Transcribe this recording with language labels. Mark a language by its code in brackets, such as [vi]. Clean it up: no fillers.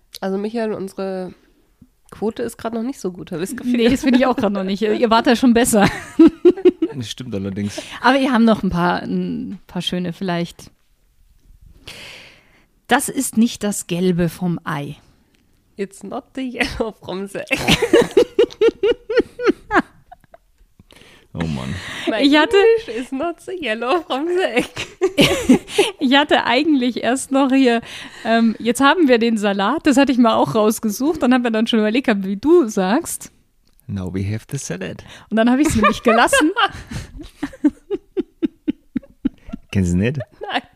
[de] Also Michael, unsere Quote ist gerade noch nicht so gut, habe ich das Gefühl. Nee, das finde ich auch gerade noch nicht. Ihr wart ja schon besser. Das stimmt allerdings. Aber ihr habt noch ein paar schöne vielleicht. Das ist nicht das Gelbe vom Ei. [en] It's not the yellow from the egg. [de] Oh Mann. [en] My English is not the yellow from the egg. [de] Ich hatte eigentlich erst noch hier, jetzt haben wir den Salat, das hatte ich mir auch rausgesucht, dann haben wir dann schon überlegt, wie du sagst. [en] Now we have the salad. [de] Und dann habe ich es nämlich gelassen. Kennst du nicht? Nein.